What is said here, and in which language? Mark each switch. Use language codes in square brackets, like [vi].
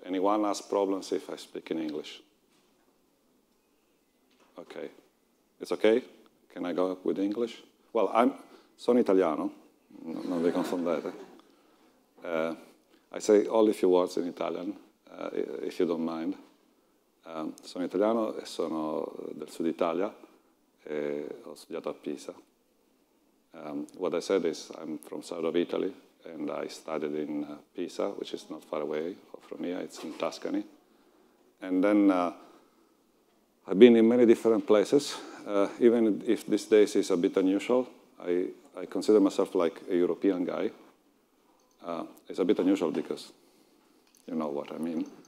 [en] Anyone has problems if I speak in English? Okay. It's okay? Can I go with English? [it] Well, sono italiano, non vi confondete. [en] I say only a few words in Italian, if you don't mind. [it] Sono italiano e sono del sud Italia, e ho studiato a Pisa. [en] What I said is I'm from south of Italy and I studied in Pisa, which is not far away from here, it's in Tuscany. And then I've been in many different places, even if these days is a bit unusual. I consider myself like a European guy. It's a bit unusual because you know what I mean.